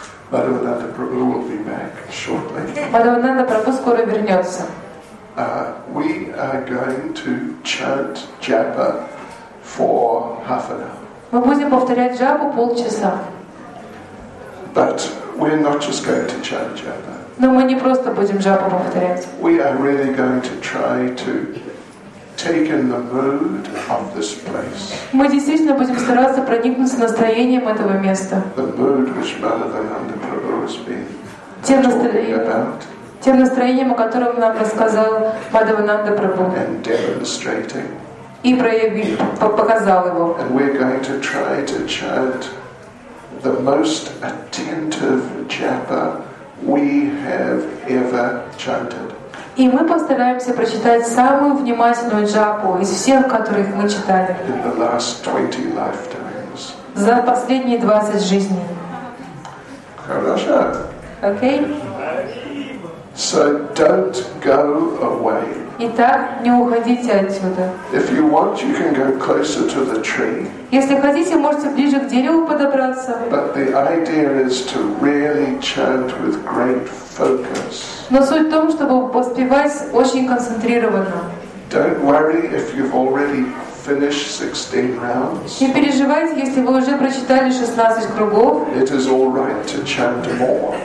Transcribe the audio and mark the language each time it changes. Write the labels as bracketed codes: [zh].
[en] Madhavananda Prabhu will be back shortly. [ru] Madhavananda Prabhu скоро вернется. [en] We are going to chant japa for half an hour. [ru] Мы будем повторять джапу полчаса. [en] But we're not just going to chant japa. [ru] Но мы не просто будем джапу повторять. [en] We are really going to try to take in the mood of this place. [ru] Мы действительно будем стараться проникнуться настроением этого места. [en] The mood which Madhavananda Prabhu has been talking about. [ru] Тем настроением, о котором нам рассказал Мадхавананда Прабху. [en] And demonstrating. [ru] И проявил, показал его. [en] And we're going to try to chant the most attentive japa we have ever chanted. [ru] И мы постараемся прочитать самую внимательную джапу из всех, которых мы читали. [en] In the last 20 lifetimes. [ru] За последние 20 жизней. Хорошо. [en] Okay. So don't go away. [ru] Итак, не уходите отсюда. [en] If you want, you can go closer to the tree. [ru] Если хотите, можете ближе к дереву подобраться. [en] But the idea is to really chant with great focus. [ru] Но суть в том, чтобы воспевать очень концентрированно. [en] Don't worry if you've already finished 16 rounds. [ru] Не переживайте, если вы уже прочитали 16 кругов. [en] It is all right to chant more.